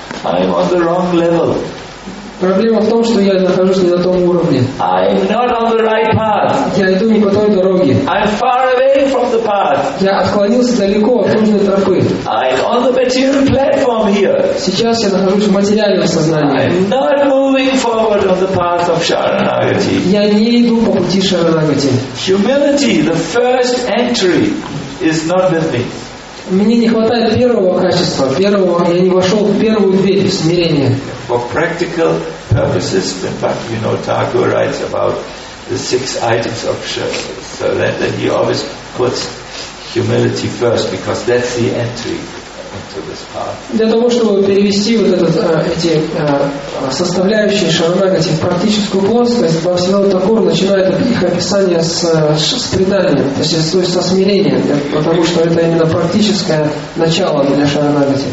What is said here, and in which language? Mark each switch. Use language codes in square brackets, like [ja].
[en] I'm on the wrong level. [ru] Проблема в том, что я нахожусь не на том уровне. [en] I'm not on the right path. [ru] Я иду не по той дороге. [en] I'm far away from the path. [ru] Я отклонился далеко от нужной тропы. [en] I'm on the material platform here. [ru] Сейчас я нахожусь в материальном сознании. [en] I'm not moving forward on the path of Sharanagati. [ru] Я не иду по пути Шаранагати. [en] Humility, the first entry, is not with me. [ru] Мне не хватает первого качества, первого, я не вошел в первую дверь в смирение. [en] For practical purposes, but you know, Thakur writes about the six items of shirt. So that he always puts humility first, because that's the entry into this path. [ru] Для того, чтобы перевести вот этот, эти составляющие Шаранагати в практическую плоскость, Бхактивинода Тхакур начинает их описание с предания, то есть со смирения, потому что это именно практическое начало для Шаранагати.